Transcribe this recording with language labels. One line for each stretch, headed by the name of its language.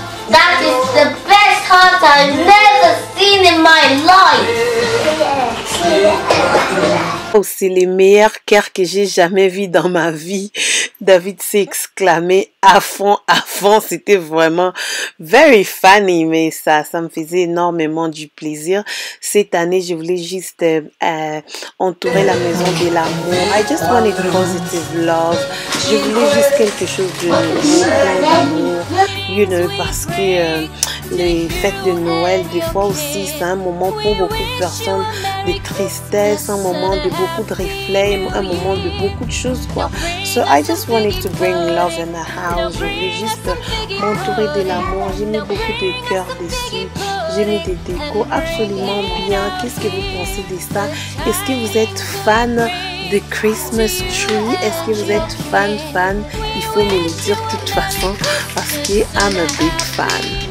English: That is the best heart I've never seen in my life.
French: Oh, c'est les meilleurs cœurs que j'ai jamais vus dans ma vie. David s'est exclamé à fond, c'était vraiment
English: very funny,
French: mais ça me faisait énormément du plaisir. Cette année, je voulais juste entourer la maison de l'amour.
English: I just wanted positive love.
French: Je voulais juste quelque chose de l'amour,
English: you know,
French: parce que les fêtes de Noël, des fois aussi, c'est un moment pour beaucoup de personnes de tristesse, un moment de beaucoup de réflexion, un moment de beaucoup de choses, quoi.
English: So I just wanted to bring love in the house.
French: Je voulais juste m'entourer de l'amour. J'ai mis beaucoup de cœur dessus. J'ai mis des décos absolument bien. Qu'est-ce que vous pensez de ça? Est-ce que vous êtes fan de Christmas tree? Est-ce que vous êtes fan? Il faut me le dire de toute façon parce que
English: I'm a big fan.